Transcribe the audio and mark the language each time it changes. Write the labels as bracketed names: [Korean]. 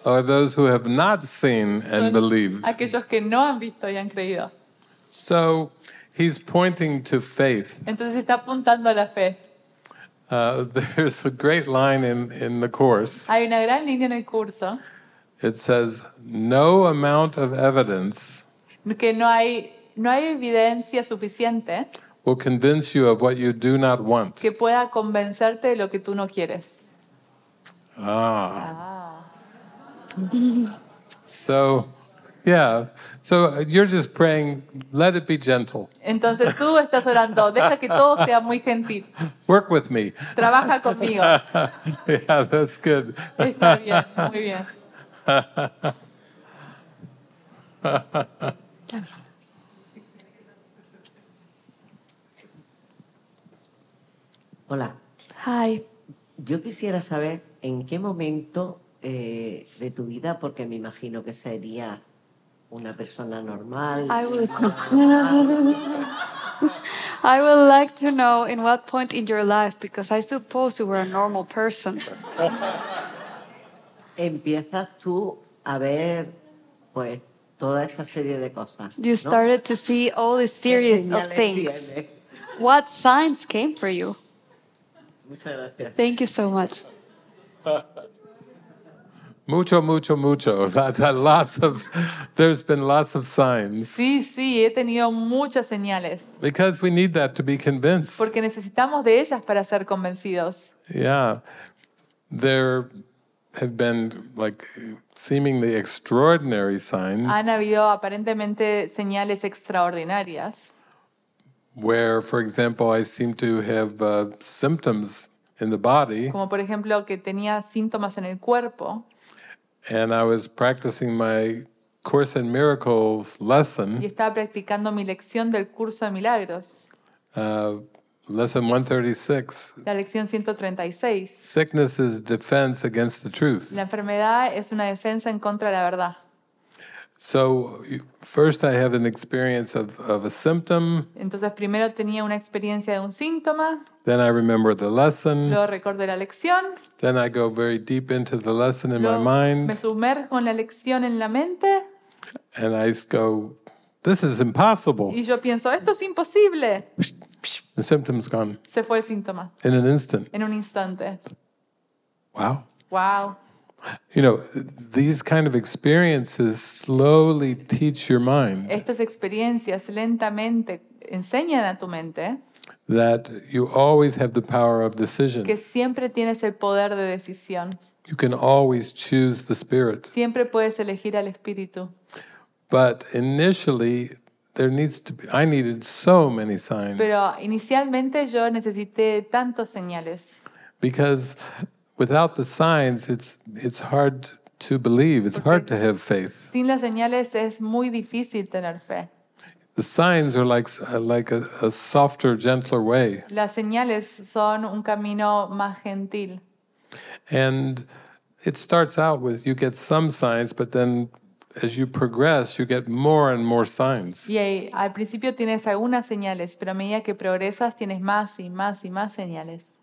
[English] are those who have not seen and believed. [Spanish] Aquellos que no han visto y han creído. [English] So he's pointing to faith. [Spanish] Entonces está apuntando a la fe. [English] There's a great line in the course. [Spanish] Hay una gran línea en el curso. [English] It says, "No amount of evidence [Spanish] que no hay evidencia suficiente [English] will convince you of what you do not want." [Spanish] Que pueda convencerte de lo que tú no quieres. [English] Ah. Ah. So, yeah. So you're just praying, let it be gentle. [Spanish] Entonces tú estás orando, deja que todo sea muy gentil. [English] Work with me. [Spanish] Trabaja conmigo. [English] Yeah, that's good. [Spanish] Está bien, muy bien. Hola. [English] Hi. [Spanish] Yo quisiera saber en qué momento de tu vida, porque me imagino que sería una persona normal. [English] I would like to know in what point in your life, because I suppose you were a normal person. [Spanish] Empiezas tú a ver, pues, toda esta serie de cosas. ¿No? [English] You started to see all this series of things. [Spanish] Tiene? [English] What signs came for you? [Spanish] Muchas gracias. [English] Thank you so much. [Spanish] Mucho, mucho, mucho. [English] There's been lots of signs. [Spanish] Sí, sí, he tenido muchas señales. [English] Because we need that to be convinced. [Spanish] Porque necesitamos de ellas para ser convencidos. [English] Yeah. There have been like seemingly extraordinary signs. [Spanish] Han habido aparentemente señales extraordinarias. [English] Where, for example, I seem to have symptoms in the body. [Spanish] Como por ejemplo que tenía síntomas en el cuerpo. [English] And I was practicing my Course in Miracles lesson. [Spanish] Y estaba practicando mi lección del curso de milagros. [English] Lesson 136. [Spanish] La lección 136. [English] Sickness is defense against the truth. [Spanish] La enfermedad es una defensa en contra de la verdad. [English] So, first I have an experience of a symptom. [Spanish] Entonces primero tenía una experiencia de un síntoma. [English] Then I remember the lesson. [Spanish] Luego recordé la lección. [English] Then I go very deep into the lesson in [Spanish] luego [English] my mind. [Spanish] Me sumerjo en la lección en la mente. [English] And I go, "This is impossible." [Spanish] Y yo pienso, "Esto es imposible." [English] The symptom's gone. [Spanish] Se fue el síntoma. [English] In an instant. [Spanish] En un instante. [English] Wow. Wow. You know, these kind of experiences slowly teach your mind. [Spanish] Estas experiencias lentamente enseñan a tu mente. [English] That you always have the power of decision. [Spanish] Que siempre tienes el poder de decisión. [English] You can always choose the spirit. [Spanish] Siempre puedes elegir al espíritu. [English] But initially, I needed so many signs. [Spanish] Pero inicialmente yo necesité tantos señales. [English] Because without the signs, it's hard to believe. It's hard to have faith. [Spanish] Sin las señales es muy difícil tener fe. [English] The signs are like a softer, gentler way. [Spanish] Las señales son un camino más gentil. [English] And it starts out with you get some signs, but then as you progress, you get more and more signs. Yay. [Spanish] Al principio tienes algunas señales, pero a medida que progresas, tienes más y más y más señales.